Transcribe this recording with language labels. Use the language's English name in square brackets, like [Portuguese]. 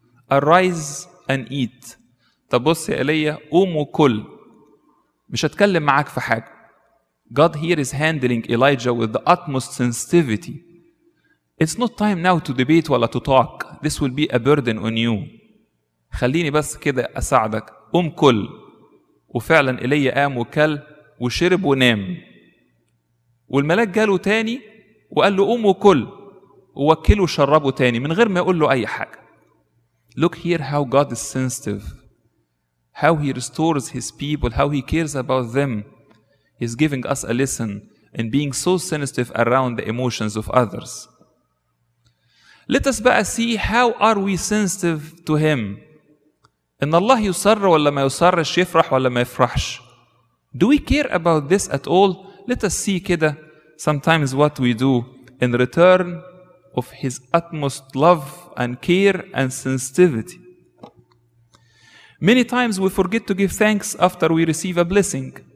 [English] Arise and eat. [Arabic] تبص إليه قوم وكل. مش هتكلم معك في حاجة. [English] God here is handling Elijah with the utmost sensitivity. It's not time now to debate ولا to talk. This will be a burden on you. [Arabic] خليني بس كده أساعدك. قوم كل. وفعلا إليه قام وكل وشرب ونام. والملاك جاله تاني وقال له قوم وكل. ووكله وشربه تاني من غير ما يقول له أي حاجة. [English] Look here how God is sensitive. How he restores his people, how he cares about them. He's giving us a lesson in being so sensitive around the emotions of others. Let us see how are we sensitive to him. [Arabic] إن الله يسر ولا ما يسرش يفرح ولا ما يفرحش. [English] Do we care about this at all? Let us see كده sometimes what we do in return of his utmost love and care and sensitivity. Many times we forget to give thanks after we receive a blessing.